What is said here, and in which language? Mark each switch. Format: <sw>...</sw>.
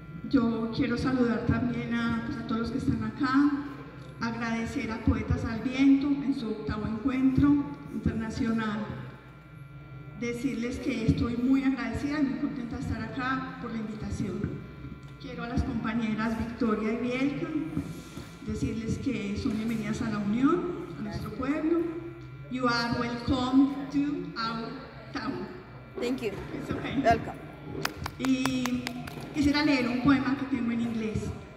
<es>Yo quiero saludar también a todos los que están acá, agradecer a Poetas al Viento en su octavo encuentro internacional. Decirles que estoy muy agradecida y muy contenta de estar acá por la invitación. Quiero a las compañeras Victoria y Bielka decirles que son bienvenidas a la Unión, a nuestro pueblo.</es> <en>You are welcome to our town. Thank you. It's okay. Welcome.</en> <es>Y quisiera leer un poema que tengo en inglés.</es>